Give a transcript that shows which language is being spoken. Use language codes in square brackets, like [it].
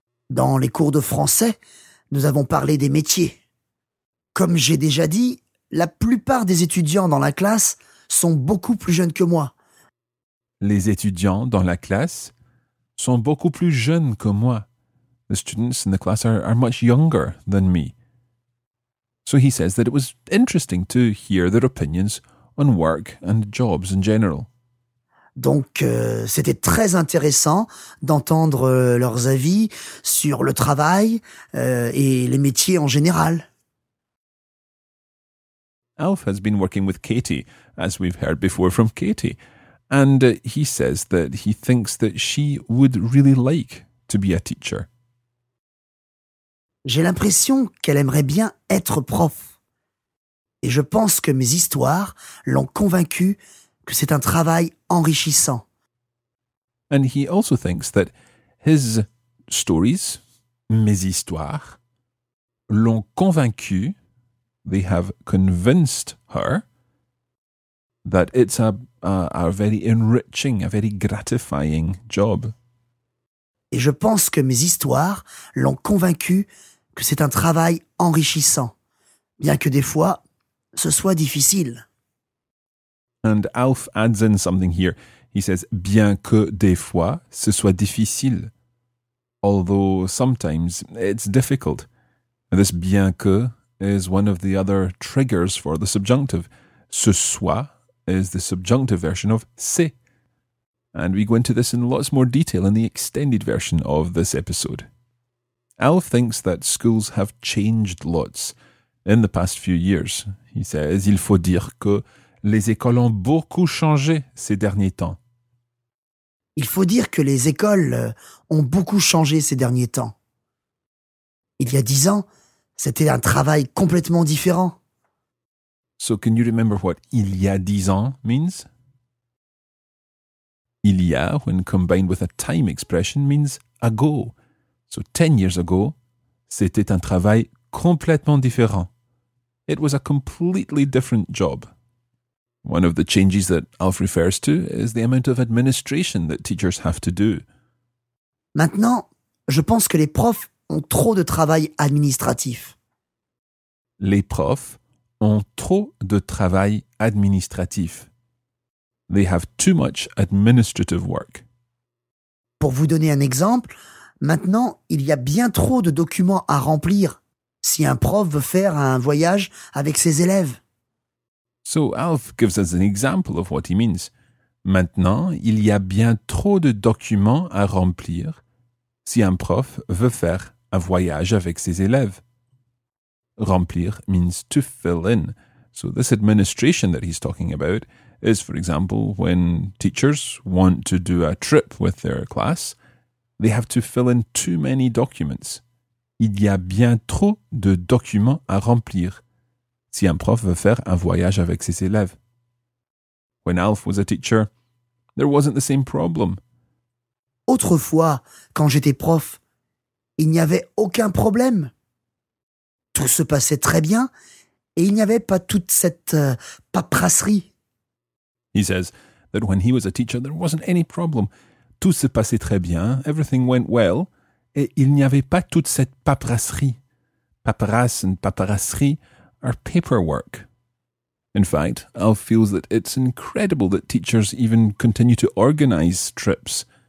[fr] Dans les cours de français, nous avons parlé des métiers. Comme j'ai déjà dit, la plupart des étudiants dans la classe sont beaucoup plus jeunes que moi. Les étudiants dans la classe sont beaucoup plus jeunes que moi. [en] The students in the class are much younger than me. So he says that it was interesting to hear their opinions on work and jobs in general. [fr] Donc, c'était très intéressant d'entendre leurs avis sur le travail et les métiers en général. [en] Alf has been working with Katie, as we've heard before from Katie, and he says that he thinks that she would really like to be a teacher. [fr] J'ai l'impression qu'elle aimerait bien être prof. Et je pense que mes histoires l'ont convaincue que c'est un travail enrichissant. [en] And he also thinks that his stories, [fr] mes histoires, l'ont convaincue, [en] they have convinced her, that it's a very enriching, a very gratifying job. [fr] Et je pense que mes histoires l'ont convaincue que c'est un travail enrichissant, bien que des fois, ce soit difficile. [en] And Alf adds in something here. He says, [fr] bien que des fois, ce soit difficile. [en] Although sometimes it's difficult. This bien que is one of the other triggers for the subjunctive. Ce soit is the subjunctive version of c'est. And we go into this in lots more detail in the extended version of this episode. Alf thinks that schools have changed lots in the past few years. He says, [fr] il faut dire que les écoles ont beaucoup changé ces derniers temps. Il faut dire que les écoles ont beaucoup changé ces derniers temps. Il y a 10 ans, c'était un travail complètement différent. [en] So can you remember what [fr] il y a 10 ans [en] means? Il y a, when combined with a time expression, means ago. So 10 years ago, [fr] c'était un travail complètement différent. [en] It was a completely different job. One of the changes that Alf refers to is the amount of administration that teachers have to do. [fr] Maintenant, je pense que les profs ont trop de travail administratif. Les profs ont trop de travail administratif. [en] They have too much administrative work. [fr] Pour vous donner un exemple, maintenant, il y a bien trop de documents à remplir si un prof veut faire un voyage avec ses élèves. [en] So Alf gives us an example of what he means. [fr] Maintenant, il y a bien trop de documents à remplir si un prof veut faire un voyage avec ses élèves. [en] Remplir means to fill in. So this administration that he's talking about is, for example, when teachers want to do a trip with their class, they have to fill in too many documents. [fr] Il y a bien trop de documents à remplir si un prof veut faire un voyage avec ses élèves. [en] When Alf was a teacher, there wasn't the same problem. [fr] Autrefois, quand j'étais prof, il n'y avait aucun problème. Tout se passait très bien et il n'y avait pas toute cette paperasserie. [en] He says that when he was a teacher, there wasn't any problem. [fr] Tout se passait très bien, [en] everything went well, [fr] et il n'y avait pas toute cette paperasserie. [en] Paperasse and paperasserie are paperwork. In fact, Alf feels that it's incredible that teachers even continue to organize trips.